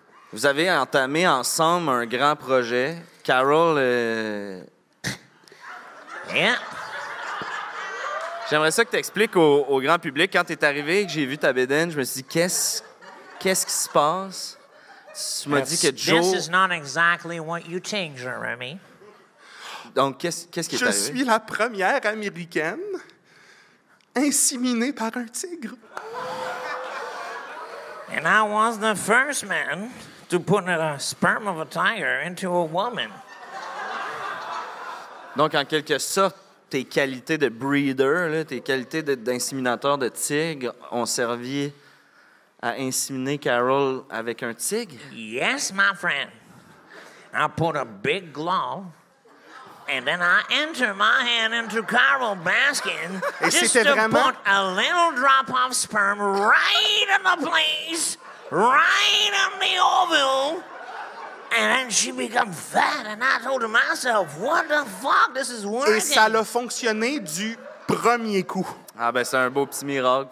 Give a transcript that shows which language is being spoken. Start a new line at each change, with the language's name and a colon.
French: Vous avez entamé ensemble un grand projet. Carol,
English: yep.
French: J'aimerais ça que tu expliques au grand public. Quand tu es arrivé et que j'ai vu ta bédaine, je me suis dit, qu'est-ce qui se passe? Tu m'as dit que Joe...
English: This is not exactly what you think, Jeremy.
French: Donc, qu'est-ce qui je est arrivé? Je suis la première Américaine inséminé par un tigre.
English: And I was the first man to put a sperm of a tiger into a woman.
French: Donc, en quelque sorte, tes qualités de breeder, là, tes qualités d'inséminateur de tigre ont servi à inséminer Carol avec un tigre?
English: Yes, my friend. I put a big glove and then I enter my hand into Carol's basket just to put a little drop of sperm right in the place, right in the ovule. And then she became fat and I told myself, what the fuck, this is working.
French: Et ça l'a fonctionné du premier coup. Ah ben c'est un beau petit miracle.